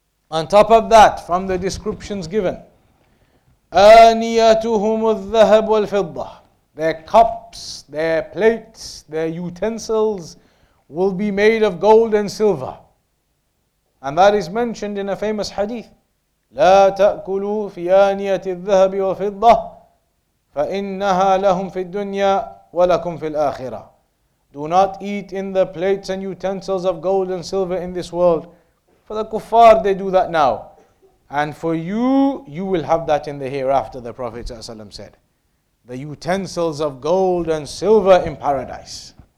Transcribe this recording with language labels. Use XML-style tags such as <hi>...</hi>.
<en>On top of that, from the descriptions given,</en> <ar>آنيتهم الذهب والفضة,</ar> <en>their cups, their plates, their utensils will be made of gold and silver. And that is mentioned in a famous hadith.</en> <ar>لا تأكلوا في آنية الذهب والفضة فإنها لهم في الدنيا ولكم في الآخرة.</ar> <en>Do not eat in the plates and utensils of gold and silver in this world. For the kuffar, they do that now. And for you, you will have that in the hereafter, the Prophet ﷺ said. The utensils of gold and silver in paradise.</en>